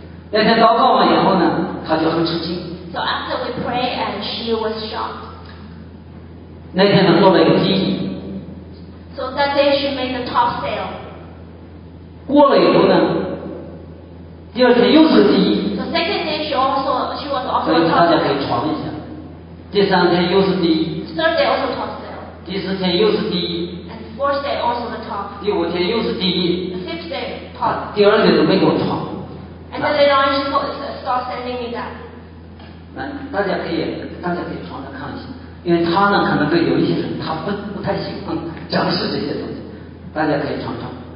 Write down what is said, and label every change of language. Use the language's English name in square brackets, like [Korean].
[Chinese] 那天祷告完以后呢，他就很吃惊。 [English] So after we pray and she was shocked. [Chinese] 那天呢做了一个记忆。 [English] So that day she made a top sale. [Chinese] 过了以后呢，第二天又是第一。 [English] The second day she also she was also. [Chinese] 所以大家可以传一下。第三天又是第一。 [English] Third day also top sale. [Chinese] 第四天又是第一。 [English] And fourth day also the top. [Chinese] 第五天又是第一。 [English] The fifth day top. [Chinese] 第二天都没给我传。 [English] And then later on she start sending me that. [Chinese] 那大家可以传着看一下，因为他呢可能对有一些人他不太喜欢讲是这些东西，大家可以传传。